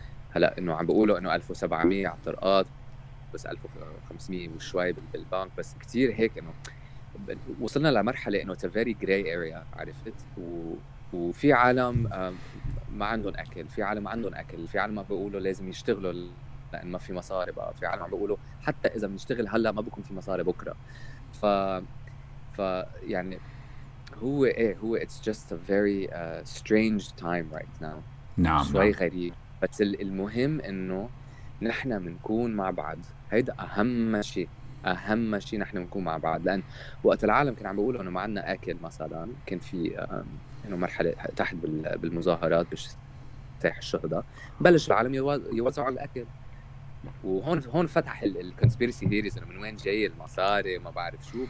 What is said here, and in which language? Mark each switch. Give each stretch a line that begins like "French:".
Arabic: هلا انه عم بيقولوا انه 1700 على الطرقات، بس 1500 وشوي بالبنك، بس كتير هيك انه وصلنا لمرحله انه
English: it's a very gray area،
Arabic: عرفت؟ وفي عالم ما عندهم اكل، في عالم عندهم اكل، في عالم عم بيقولوا لازم يشتغلوا لان ما في مصاري بقى، في عالم عم بيقولوا حتى اذا بنشتغل هلا ما بكون في مصاري بكره. ف يعني هو إيه هو
English: it's just a very strange time right now.
Arabic: نعم شوي نعم. غريب، بس المهم إنه نحنا منكون مع بعض، هيدا أهم شيء نحنا منكون مع بعض، لأن وقت العالم كان عم بيقولوا إنه ما عندنا أكل مثلاً، كان في إنه مرحلة تحت بالمظاهرات بالساحة الشهداء بلش العالم يوزعوا الأكل، وهون فتح الكونسبيرسي ثيريز انه من وين جاي المصاري ما بعرف شو.